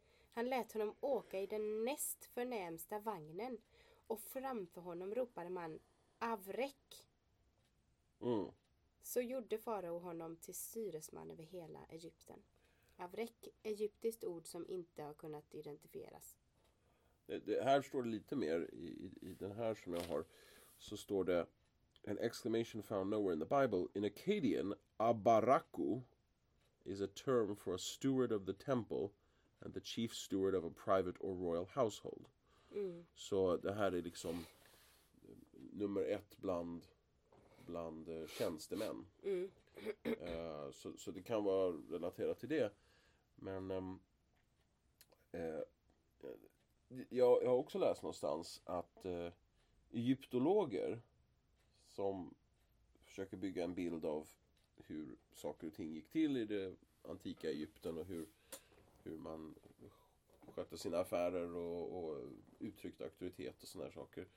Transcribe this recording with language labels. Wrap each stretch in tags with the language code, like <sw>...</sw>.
<sv>Han lät honom åka i den näst förnämsta vagnen och framför honom ropade man: avrek! Så gjorde Farao honom till styresman över hela Egypten. Avrek, egyptiskt ord som inte har kunnat identifieras. Det här står det lite mer i den här som jag har. Så står det:</sv> <en>an exclamation found nowhere in the Bible. In Akkadian, abaraku is a term for a steward of the temple and the chief steward of a private or royal household.</en> <sv>Så det här är liksom nummer ett bland tjänstemän. Så det kan vara relaterat till det. Men jag har också läst någonstans att egyptologer som försöker bygga en bild av hur saker och ting gick till i det antika Egypten och hur man skötte sina affärer och uttryckte auktoritet och såna här saker.</sv>